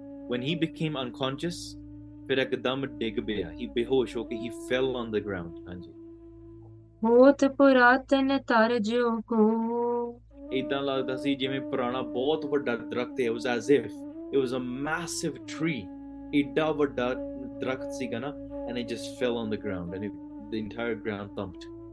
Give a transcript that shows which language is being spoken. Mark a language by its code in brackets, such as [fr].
[en] When he became unconscious, [pa] फिर एकदम डिग पिया, [en] he [pa] बेहोश होके [en] he fell on the ground. [pa] हाँ जी. ਬਹੁਤ ਪੁਰਾਤਨ ਤਰ ਜੋ ਕੋ ਇਦਾਂ ਲੱਗਦਾ ਸੀ ਜਿਵੇਂ ਪੁਰਾਣਾ ਬਹੁਤ ਵੱਡਾ ਦਰਖਤ ਹੈ. [en] was as if it was a massive tree. [pa] ਇਡਾ ਵੱਡਾ ਦਰਖਤ ਸੀਗਾ ਨਾ, [en] and it just fell on the ground and the entire ground thumped.